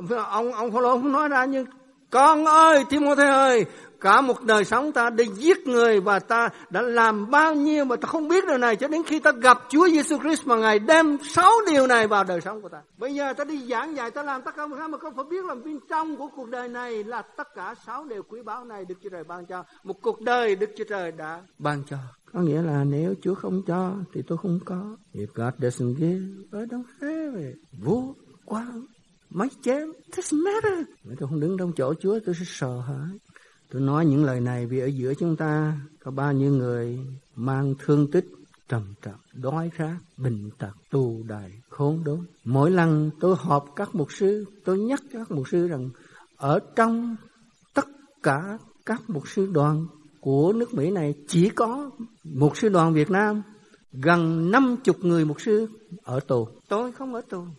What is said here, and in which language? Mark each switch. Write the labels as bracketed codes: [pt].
[vi] Ông Phaolô không nói ra, nhưng con ơi, Timôthê ơi, cả một đời sống ta đi giết người và ta đã làm bao nhiêu mà ta không biết điều này, cho đến khi ta gặp Chúa Giêsu Christ mà ngài đem sáu điều này vào đời sống của ta. Bây giờ ta đi giảng dạy, ta làm tất cả mọi thứ mà không phải biết là bên trong của cuộc đời này là tất cả sáu điều quý báu này Đức Chúa Trời ban cho. Một cuộc đời Đức Chúa Trời đã ban cho. Có nghĩa là nếu Chúa không cho thì tôi không có. [en] If God doesn't give, I don't have it. Vô quang, máy chém, this matter. [vi] Nếu tôi không đứng trong chỗ Chúa, tôi sẽ sợ hãi. Tôi nói những lời này vì ở giữa chúng ta có bao nhiêu người mang thương tích trầm trọng, đói khát, bệnh tật, tù đày, khốn đốn. Mỗi lần tôi họp các mục sư, tôi nhắc các mục sư rằng ở trong tất cả các mục sư đoàn của nước Mỹ này chỉ có mục sư đoàn Việt Nam gần 50 người mục sư ở tù. Tôi không ở tù.